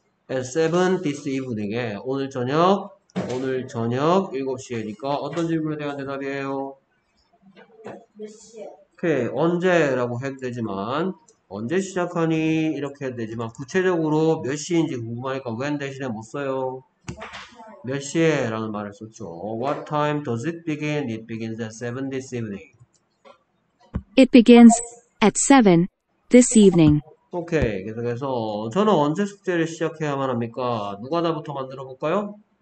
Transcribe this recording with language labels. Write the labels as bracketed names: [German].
[English] At 7 this evening [Korean] 에 오늘 저녁 7시에니까 어떤 질문에 대한 대답이에요? 오케이, 언제라고 해도 되지만, 언제 시작하니? 이렇게 해도 되지만, 구체적으로 몇 시인지 궁금하니까 when 대신에 못 써요. 몇 시에? 라는 말을 썼죠. [English] What time does it begin? It begins at 7 this evening. It begins at 7 this evening. [Korean] 오케이, 계속해서 저는 언제 숙제를 시작해야만 합니까? 누가 나부터 만들어 볼까요?